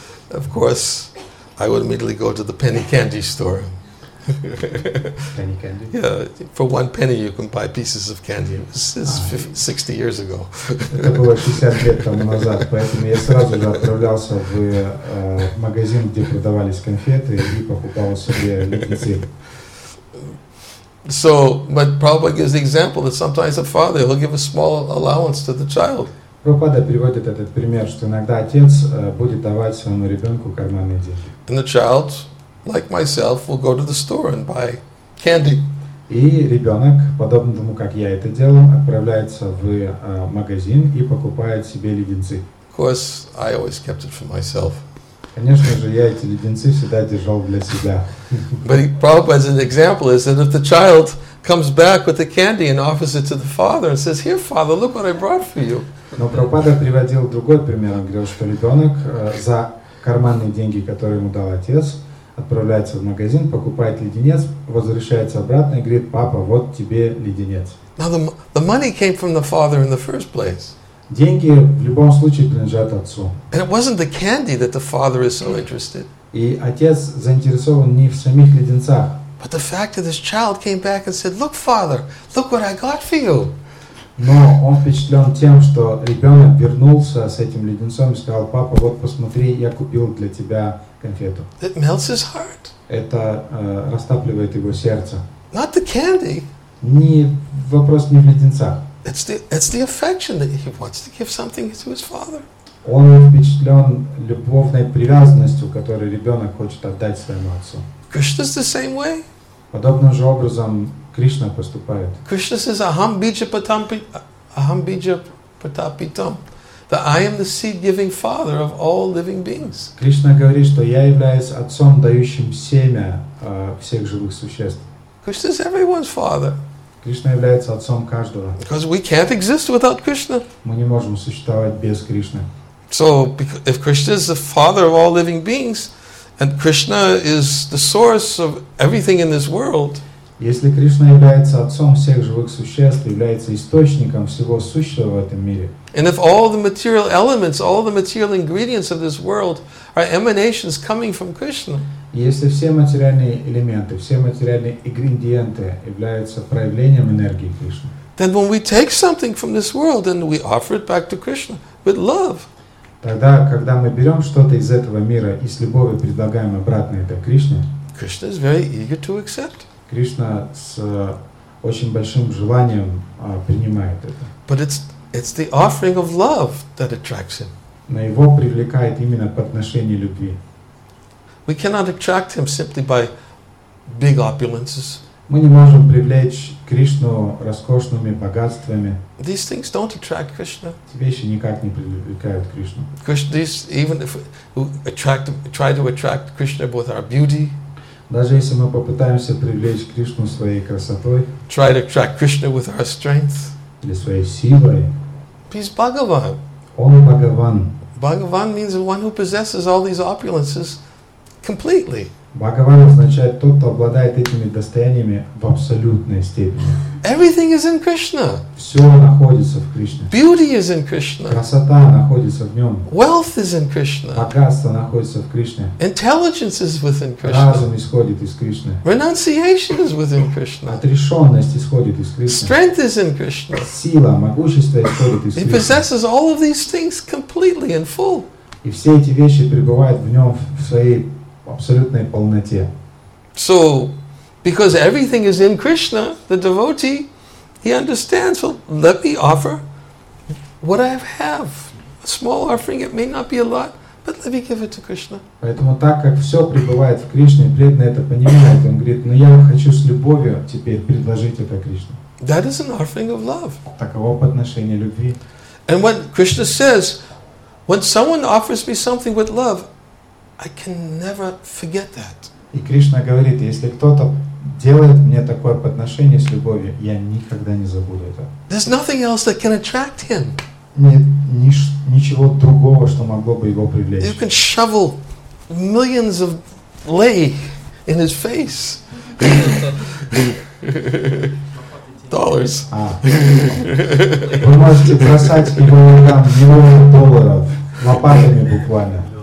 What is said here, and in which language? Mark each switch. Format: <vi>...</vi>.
<en>Of course, I would immediately go to the penny candy store. Penny candy? Yeah, for one penny you can buy pieces of candy. This is 60 years ago.</en> <ru>Это было 60 лет тому назад, поэтому я сразу же отправлялся в магазин, где продавались конфеты, и покупал себе леденцы.</ru> <en>So, but Prabhupada gives the example that sometimes a father will give a small allowance to the child.</en> <ru>Прабхупада приводит этот пример, что иногда отец будет давать своему ребенку карманные деньги.</ru> <en>And the child, like myself, will go to the store and buy candy.</en> <ru>И ребенок, подобно тому, как я это делаю, отправляется в магазин и покупает себе леденцы.</ru> <en>Of course, I always kept it for myself.</en> <ru>Конечно же, я эти леденцы всегда держал для себя.</ru> <en>But Prabhupada's an example is that if the child comes back with the candy and offers it to the father and says, "Here, father, look what I brought for you."</en> <ru>Но Прабхупада приводил другой пример. Он говорил, что ребенок за карманные деньги, которые ему дал отец, отправляется в магазин, покупает леденец, возвращается обратно и говорит, папа, вот тебе леденец.</ru> <en>Now the money came from the father in the first place.</en> <ru>Деньги в любом случае принадлежат отцу.</ru> <en>And it wasn't the candy that the father is so interested.</en> <ru>И отец заинтересован не в самих леденцах.</ru> <en>But the fact that this child came back and said, look, father, look what I got for you.</en> <ru>Но он впечатлен тем, что ребенок вернулся с этим леденцом и сказал, папа, вот посмотри, я купил для тебя конфету.</ru> <en>It melts his heart.</en> <ru>Это растапливает его сердце.</ru> <en>Not the candy.</en> <ru>Не, вопрос не в леденцах.</ru> <en>It's the affection that he wants to give something to his father.</en> <ru>Он впечатлен любовной привязанностью, которую ребенок хочет отдать своему отцу.</ru> <en>Krishna's the same way.</en> <ru>Подобным же образом Кришна поступает.</ru> <en>Krishna says,</en> <sa>aham bija patapitam.</sa> <en>that I am the seed-giving father of all living beings.</en> <ru>Кришна говорит, что я являюсь отцом, дающим семя всех живых существ.</ru> <en>Krishna is everyone's father.</en> <ru>Кришна является отцом каждого.</ru> <en>Because we can't exist without Krishna.</en> <ru>Мы не можем существовать без Кришны.</ru> <en>So, if Krishna is the father of all living beings, and Krishna is the source of everything in this world,</en> <ru>если Кришна является отцом всех живых существ, является источником всего сущего в этом мире,</ru> <en>and if all the material elements, all the material ingredients of this world are emanations coming from Krishna,</en> <ru>если все материальные элементы, все материальные ингредиенты являются проявлением энергии Кришны,</ru> <en>then when we take something from this world and we offer it back to Krishna with love,</en> <ru>тогда, когда мы берем что-то из этого мира и с любовью предлагаем обратно это Кришне,</ru> <en>Krishna is very eager to accept.</en> <ru>Кришна с очень большим желанием принимает это.</ru> <en>But it's the offering of love that attracts him.</en> <ru>Но его привлекает именно подношение любви.</ru> <en>We cannot attract him simply by big opulences.</en> <ru>Мы не можем привлечь Кришну роскошными богатствами.</ru> <en>These things don't attract Krishna.</en> <ru>Эти вещи никак не привлекают Кришну.</ru> <en>Krishna, even if we try to attract Krishna with our beauty,</en> <ru>даже если мы попытаемся привлечь Кришну своей красотой,</ru> <en>try to attract Krishna with our strength,</en> <ru>или своей силой,</ru> <en>he's Bhagavan.</en> <ru>Он Бхагаван.</ru> <en>Bhagavan means the one who possesses all these opulences completely.</en> <ru>Бхагаван означает тот, кто обладает этими достояниями в абсолютной степени.</ru> <en>Everything is in Krishna.</en> <ru>Все находится в Кришне.</ru> <en>Beauty is in Krishna.</en> <ru>Красота находится в нем.</ru> <en>Wealth is in Krishna.</en> <ru>Богатство находится в Кришне.</ru> <en>Intelligence is within Krishna.</en> <ru>Разум исходит из Кришны.</ru> <en>Renunciation is within Krishna.</en> <ru>Отрешенность исходит из Кришны.</ru> <en>Strength is in Krishna.</en> <ru>Сила, могущество исходит из Кришны.</ru> <en>He possesses all of these things completely and full.</en> <ru>И все эти вещи пребывают в нем в своей абсолютной полноте.</ru> <en>So, because everything is in Krishna, the devotee, he understands, well, let me offer what I have. A small offering, it may not be a lot, but let me give it to Krishna.</en> <ru>Поэтому так как все пребывает в Кришне, преданный это понимает, он говорит, но я хочу с любовью теперь предложить это Кришне.</ru> <en>That is an offering of love.</en> <ru>Таково подношение любви.</ru> <en>And when Krishna says, when someone offers me something with love, I can never forget that.</en> <ru>И Кришна говорит, если кто-то делает мне такое подношение с любовью, я никогда не забуду это.</ru> <en>There's nothing else that can attract him.</en> <ru>Нет ничего другого, что могло бы его привлечь.</ru> <en>You can shovel millions of lei in his face. Dollars.</en> <ru>Вы можете бросать его там миллионы долларов, лопатами буквально.</ru>